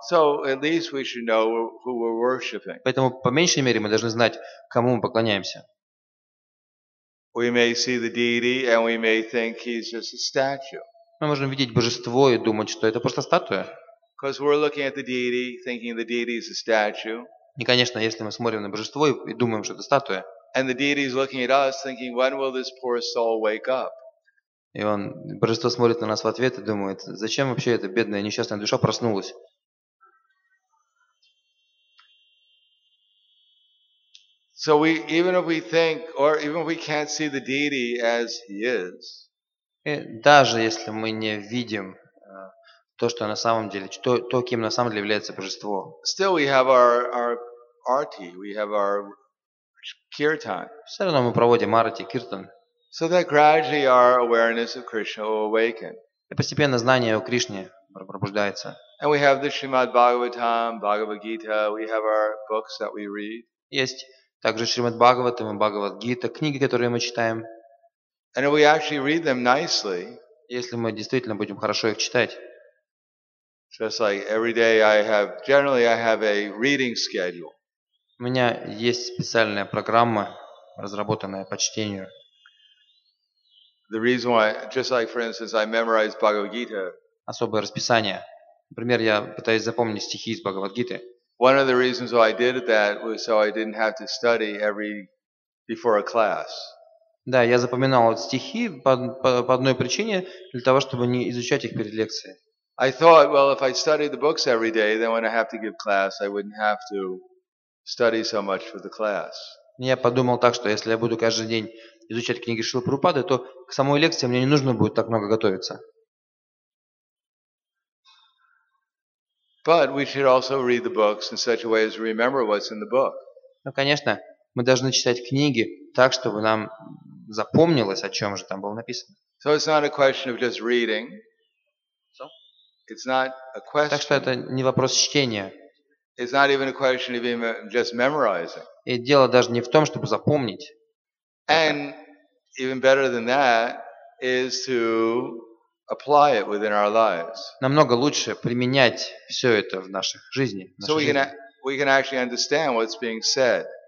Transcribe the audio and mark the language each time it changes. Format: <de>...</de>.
<en>So at least we should know who we're worshiping.</en> <ru>Поэтому, по меньшей мере, мы должны знать, кому мы поклоняемся.</ru> <en>We may see the deity and we may think he's just a statue.</en> <ru>Мы можем видеть божество и думать, что это просто статуя.</ru> <en>Because we're looking at the deity, thinking the deity is a statue.</en> <ru>И, конечно, если мы смотрим на божество и думаем, что это статуя.</ru> <en>And the deity is looking at us, thinking, when will this poor soul wake up?</en> <ru>И он, божество смотрит на нас в ответ и думает, зачем вообще эта бедная несчастная душа проснулась?</ru> <en>So we, even if we think, or even if we can't see the deity as he is.</en> <ru>И даже если мы не видим то, что на самом деле, то, кем на самом деле является божество.</ru> <en>Still we have our arti, we have our kirtan.</en> <ru>Все равно мы проводим арти, киртан.</ru> <en>So that gradually our awareness of Krishna will awaken.</en> <ru>И постепенно знание о Кришне пробуждается.</ru> <en>And we have the Shrimad Bhagavatam, Bhagavad Gita, we have our books that we read.</en> <ru>Есть также Шримад Бхагаватам и Бхагавад Гита, книги, которые мы читаем.</ru> <en>And if we actually read them nicely.</en> <ru>Если мы действительно будем хорошо их читать.</ru> <en>Just like every day I have, generally I have a reading schedule.</en> <ru>У меня есть специальная программа, разработанная по чтению.</ru> <en>The reason why, just like for instance, I memorize Bhagavad Gita.</en> <ru>Особое расписание. Например, я пытаюсь запомнить стихи из Бхагавад Гиты.</ru> <en>One of the reasons why I did that was so I didn't have to study every before a class.</en> <ru>Да, я запоминал стихи по одной причине, для того, чтобы не изучать их перед лекцией.</ru> <en>I thought, well, if I studied the books every day, then when I have to give class, I wouldn't have to study so much for the class.</en> <ru>Я подумал так, что если я буду каждый день изучать книги Шрилы Прабхупады, то к самой лекции мне не нужно будет так много готовиться.</ru> <en>But we should also read the books in such a way as to remember what's in the book.</en> <ru>Ну, конечно, мы должны читать книги так, чтобы нам запомнилось, о чем же там было написано.</ru> <en>So it's not a question of just reading. It's not a question.</en> <ru>Так что это не вопрос чтения.</ru> <en>It's not even a question of just memorizing.</en> <ru>И дело даже не в том, чтобы запомнить.</ru> <en>And even better than that is to apply it within our lives.</en> <ru>Намного лучше применять все это в наших жизни.</ru> <en>So we can actually understand what's being said.</en>